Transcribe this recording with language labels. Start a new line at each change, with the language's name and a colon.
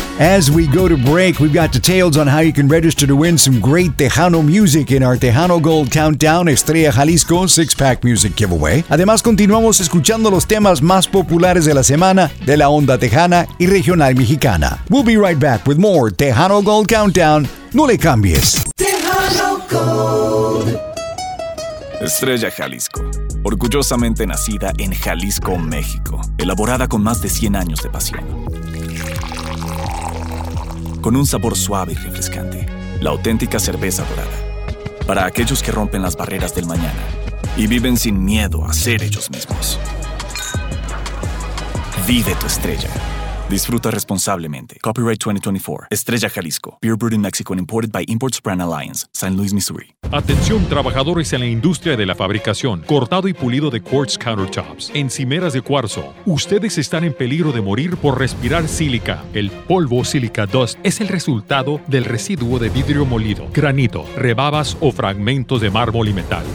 English: As we go to break, we've got details on how you can register to win some great Tejano music in our Tejano Gold Countdown Estrella Jalisco 6-Pack Music Giveaway.
Spanish: Además, continuamos escuchando los temas más populares de la semana de la onda tejana y regional mexicana.
English: We'll be right back with more Tejano Gold Countdown.
Spanish: No le cambies. Tejano Gold. Estrella Jalisco. Orgullosamente nacida en Jalisco, México. Elaborada con más de 100 años de pasión. Con un sabor suave y refrescante. La auténtica cerveza dorada. Para aquellos que rompen las barreras del mañana y viven sin miedo a ser ellos mismos. Vive tu estrella. Disfruta responsablemente. Copyright 2024. Estrella Jalisco.
English: Beer brewed in Mexico and imported by Imports Brand Alliance.
Spanish: San Luis, Missouri. Atención, trabajadores en la industria de la fabricación. Cortado y pulido de quartz countertops. Encimeras de cuarzo. Ustedes están en peligro de morir por respirar sílica. El polvo sílica dust es el resultado del residuo de vidrio molido, granito, rebabas o fragmentos de mármol y metal.